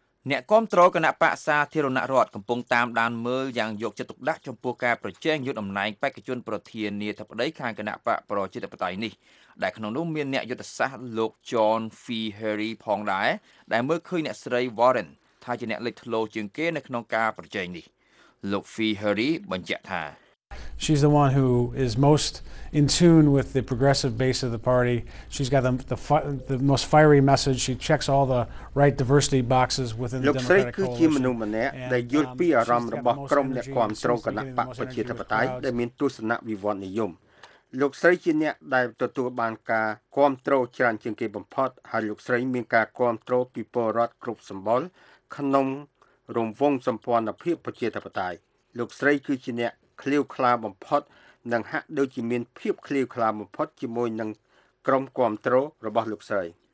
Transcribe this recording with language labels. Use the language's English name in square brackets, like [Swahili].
[Khmer] អ្នកគាំទ្រគណៈបក្សសាធារណរដ្ឋកំពុងតាមដានមើលយ៉ាងយកចិត្តទុកដាក់ចំពោះការប្រជែងយុទ្ធនាការបេក្ខជនប្រធានាធិបតីខាងគណៈបក្សប្រជាធិបតេយ្យនេះដែលក្នុងនោះមានអ្នកយុទ្ធសាស្ត្រលោក John F. Harry ផងដែរដែលមើលឃើញអ្នកស្រី Warren ថាជាអ្នកលេចធ្លោជាងគេនៅក្នុងការប្រជែងនេះលោក F. Harry បញ្ជាក់ថា [English] She's the one who is most in tune with the progressive base of the party. She's got the most fiery message. She checks all the right diversity boxes within the Democratic coalition. [Khmer] លោកស្រីគឺជាមនុស្សម្នាក់ដែលយល់ពីអារម្មណ៍របស់ក្រុមអ្នកគាំទ្រគណបក្សប្រជាធិបតេយ្យដែលមានទស្សនៈវិវត្តនិយមលោកស្រីជាអ្នកដែលទទួលបានការគាំទ្រច្រើនជាងគេបំផុតហើយលោកស្រីមានការគាំទ្រពីប្រជាពលរដ្ឋគ្រប់សម្បល់ក្នុងរង្វង់សម្ព័ន្ធភាពប្រជាធិបតេយ្យលោកស្រីគឺជាអ្នកក្លៀវក្លាបំផុតនឹងហាក់ដូចជាមានភាពក្លៀវក្លាបំផុតជាមួយនឹងក្រុមគាំទ្ររបស់លោកស្រី